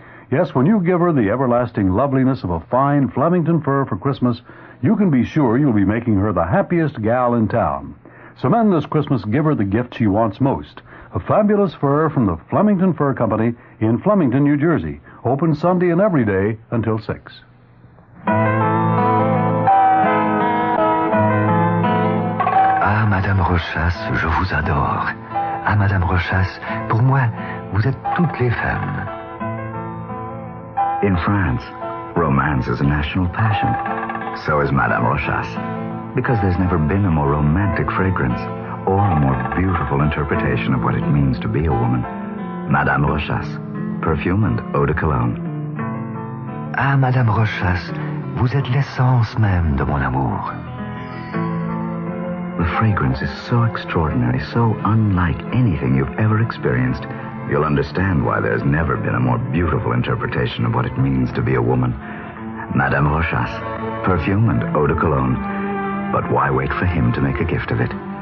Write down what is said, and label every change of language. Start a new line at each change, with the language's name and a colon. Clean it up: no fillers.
English: Yes, when you give her the everlasting loveliness of a fine Flemington Fur for Christmas, you can be sure you'll be making her the happiest gal in town. So men, this Christmas, give her the gift she wants most. A fabulous fur from the Flemington Fur Company in Flemington, New Jersey. Open Sunday and every day until 6.
French: Ah, Madame Rochasse, je vous adore. Ah, Madame Rochasse, pour moi, vous êtes toutes les femmes.
English: In France, romance is a national passion. So is Madame Rochasse. Because there's never been a more romantic fragrance or a more beautiful interpretation of what it means to be a woman. Madame Rochasse, perfume and eau de cologne.
French: Ah, Madame Rochasse, vous êtes l'essence même de mon amour.
English: The fragrance is so extraordinary, so unlike anything you've ever experienced, you'll understand why there's never been a more beautiful interpretation of what it means to be a woman. Madame Rochasse, perfume and eau de cologne. But why wait for him to make a gift of it?